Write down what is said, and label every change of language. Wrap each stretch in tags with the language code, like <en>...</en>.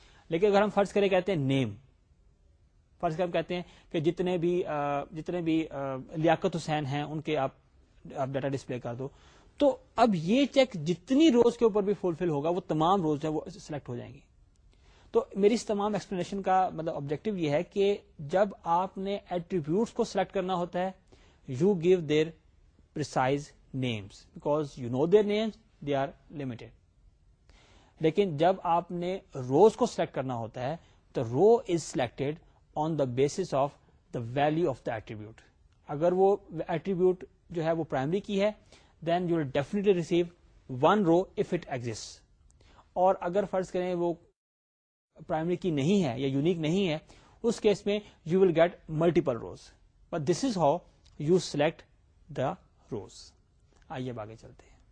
<ur>لیکن اگر ہم فرض کریں کہتے ہیں نیم, فرض کریں ہم کہتے ہیں کہ جتنے بھی لیاقت حسین ہیں ان کے آپ ڈیٹا ڈسپلے کر دو, تو اب یہ چیک جتنی روز کے اوپر بھی فلفل ہوگا وہ تمام روز جو وہ سلیکٹ ہو جائیں گے. تو میری اس تمام ایکسپلینیشن کا مطلب آبجیکٹو یہ ہے کہ جب آپ نے ایٹریبیوٹس کو سلیکٹ کرنا ہوتا ہے,</ur> <en>You give their precise names because you know their names, they are limited.</en> <ur>لیکن جب آپ نے روز کو سلیکٹ کرنا ہوتا ہے تو</ur> <en>Row is selected on the basis of the value of the attribute.</en> <ur>اگر وہ ایٹریبیوٹ جو ہے وہ پرائمری کی ہے,</ur> <en>Then you will definitely receive one row if it exit.</en> <ur>اور اگر فرض کریں وہ پرائمری کی نہیں ہے یا یونیک نہیں ہے, اس کیس میں</ur> <en>You will get multiple rows. But this is how you select the rows.</en> <ur>آئیے اب آگے چلتے ہیں.</ur>